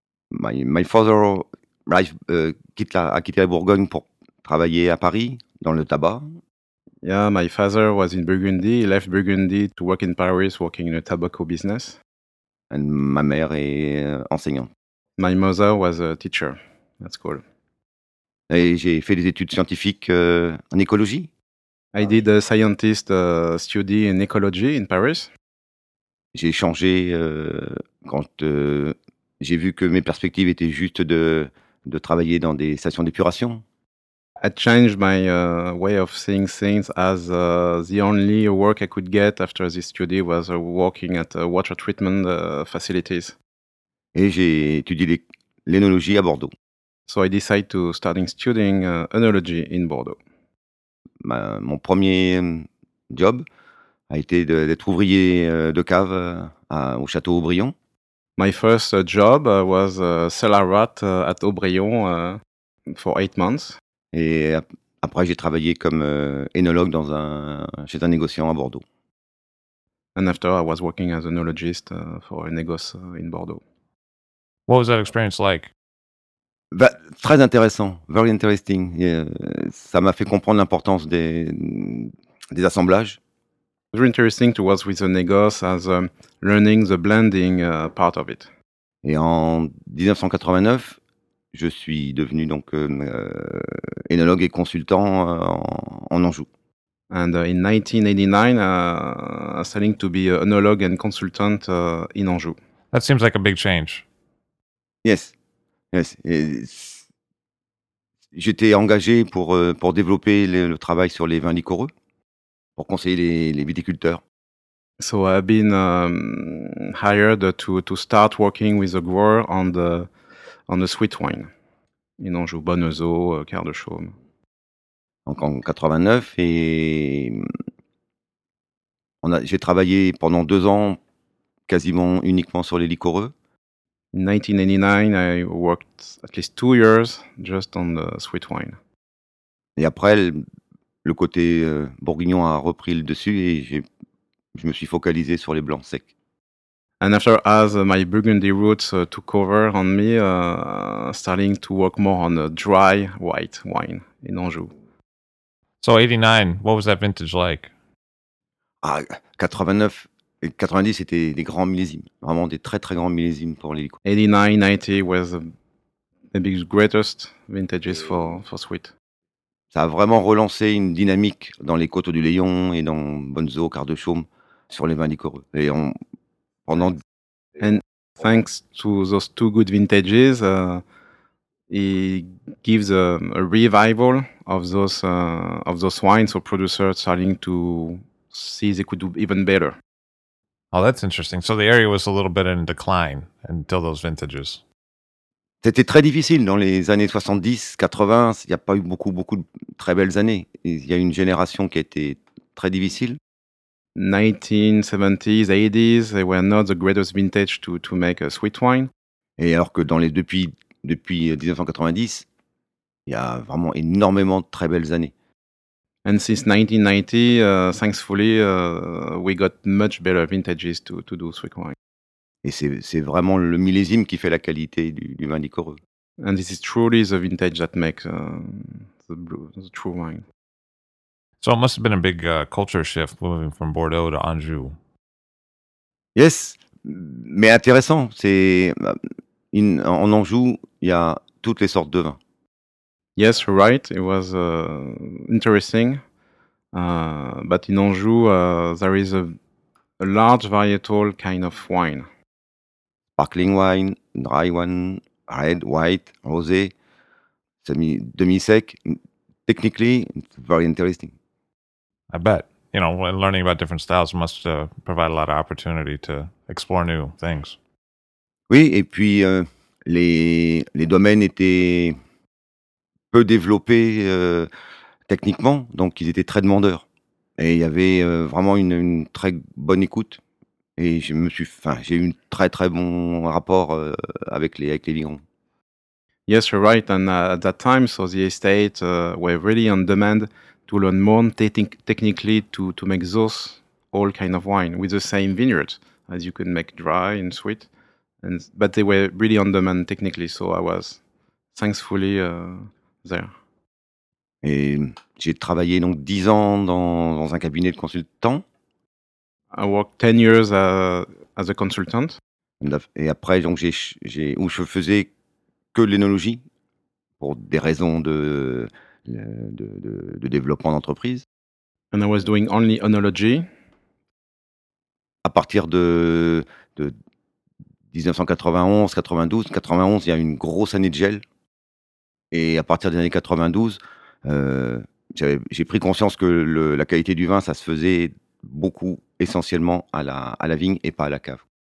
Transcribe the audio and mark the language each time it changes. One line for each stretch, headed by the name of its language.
English: My father
French: quitté la Bourgogne pour travailler à Paris dans le tabac.
English: Yeah, my father was in Burgundy. He left Burgundy to work in Paris, working in a tobacco business. And
French: ma mère est enseignante.
English: My mother was a teacher at school.
French: Et j'ai fait des études scientifiques en écologie.
English: I did a scientist study in ecology in Paris.
French: J'ai changé quand j'ai vu que mes perspectives étaient juste de travailler dans des stations d'épuration.
English: I changed my way of seeing things as the only work I could get after this study was working at water treatment facilities.
French: Et j'ai étudié l'œnologie à Bordeaux.
English: So I decided to start studying œnology in Bordeaux.
French: Mon premier job a été d'être ouvrier de cave au château Aubryon.
English: My first job was cellar rat at Aubryon for 8 months.
French: Et après, j'ai travaillé comme œnologue chez un négociant à Bordeaux.
English: And after, I was working as an œnologist for a négoce in Bordeaux. What was that experience like?
French: Très intéressant,
English: very interesting.
French: Ça m'a fait comprendre l'importance des assemblages.
English: Very interesting to work with the négoce as learning the blending part of it.
French: Et en 1989, je suis devenu donc œnologue et consultant en Anjou.
English: And in 1989, starting to be an analog and consultant in Anjou. That seems like a big change. Yes, yes.
French: J'étais engagé pour développer le travail sur les vins liquoreux, pour conseiller les viticulteurs.
English: So I've been hired to start working with a grower on the sweet wine in Anjou, Bonneuseau, Quart de Chaume.
French: Donc en 89, et j'ai travaillé pendant 2 ans quasiment uniquement sur les liquoreux.
English: In 1989, I worked at least 2 years just on the sweet wine.
French: Et après, le côté bourguignon a repris le dessus et je me suis focalisé sur les blancs secs.
English: And after, as my Burgundy roots took over on me, starting to work more on the dry white wine in Anjou. So 89, what was that vintage like?
French: Ah, 89 et 90 c'était des grands millésimes, vraiment des très très grands millésimes pour les liquides.
English: 89, 90 was the biggest greatest vintages for sweet.
French: Ça a vraiment relancé une dynamique dans les Côtes du Layon et dans Bonneseau, Quart de Chaume sur les vins liquoreux. Et on pendant
English: and thanks to those two good vintages it gives a revival of those wines, so producers starting to see they could do even better. Oh, that's interesting. So the area was a little bit in decline until those vintages.
French: C'était très difficile dans les années 70, 80. Il n'y a pas eu beaucoup de très belles années. Il y a une génération qui a été très difficile.
English: 1970s, 80s, they were not the greatest vintage to make a sweet wine.
French: Et alors que depuis 1990, il y a vraiment énormément de très belles années.
English: And since 1990, thankfully, we got much better vintages to do sweet wine.
French: Et c'est vraiment le millésime qui fait la qualité du vin liquoreux.
English: And this is truly the vintage that makes the true wine. So it must have been a big culture shift moving from Bordeaux to Anjou. Yes,
French: mais intéressant. C'est en Anjou, il y a toutes les sortes de vins.
English: Yes, right. It was interesting, but in Anjou, there is a large varietal kind of wine. Sparkling wine, dry wine, red, white, rosé, demi-sec. Technically, it's very interesting. I bet. You know, learning about different styles must provide a lot of opportunity to explore new things.
French: Oui, et puis les domaines étaient peu développés techniquement, donc ils étaient très demandeurs. Et il y avait vraiment une très bonne écoute. Et j'ai eu un très très bon rapport avec les vignerons.
English: Yes, you're right. And at that time, so the estate were really on demand to learn more technically to make those all kind of wine with the same vineyard, as you can make dry and sweet. But they were really on demand technically, so I was thankfully there.
French: Et j'ai travaillé donc 10 ans dans un cabinet de consultant.
English: I worked 10 years as a consultant.
French: Et après, donc, je faisais que l'œnologie pour des raisons de développement d'entreprise.
English: And I was doing only oenology.
French: À partir de 1991, 92, 91, il y a une grosse année de gel. Et à partir des années 92, j'ai pris conscience que la qualité du vin, ça se faisait beaucoup, essentiellement à la vigne et pas à la cave.